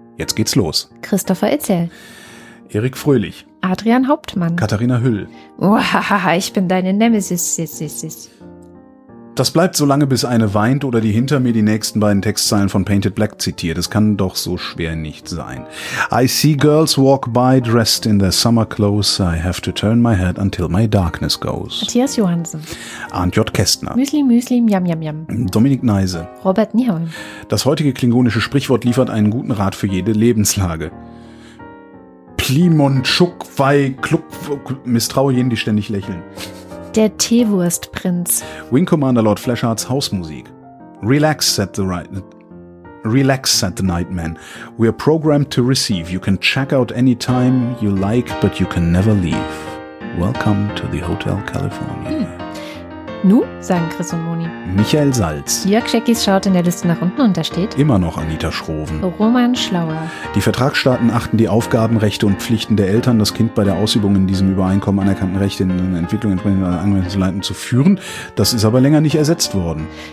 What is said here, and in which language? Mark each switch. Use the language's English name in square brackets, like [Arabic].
[German] Jetzt geht's los. Christopher Itzel. Erik Fröhlich. Adrian Hauptmann. Katharina Hüll. Uahaha, ich bin deine Nemesis. Das bleibt so lange, bis eine weint oder die hinter mir die nächsten beiden Textzeilen von Painted Black zitiert. Es kann doch so schwer nicht sein. [English] I see girls walk by dressed in their summer clothes. I have to turn my head until my darkness goes. [German] Matthias Johansen. Arndt J. Kästner. Müsli, Müsli, Yam, Yam, Yam. Dominik Neise. Robert Nihon. Das heutige klingonische Sprichwort liefert einen guten Rat für jede Lebenslage. Plimonchuk, Vai, Kluck, Misstrauien, die ständig lächeln. Der Teewurstprinz. Wing Commander Lord Flesharts Hausmusik. [English] Relax, said the Relax, said the Nightman. We are programmed to receive. You can check out any time you like, but you can never leave. Welcome to the Hotel California. [German] Nu, sagen Chris und Moni. Michael Salz. Jörg Scheckis schaut in der Liste nach unten und da steht immer noch Anita Schroven. Roman Schlauer. Die Vertragsstaaten achten die Aufgaben, Rechte und Pflichten der Eltern, das Kind bei der Ausübung in diesem Übereinkommen anerkannten Rechte in der Entwicklung entsprechender Anwendungsleitung zu führen. Das ist aber länger nicht ersetzt worden.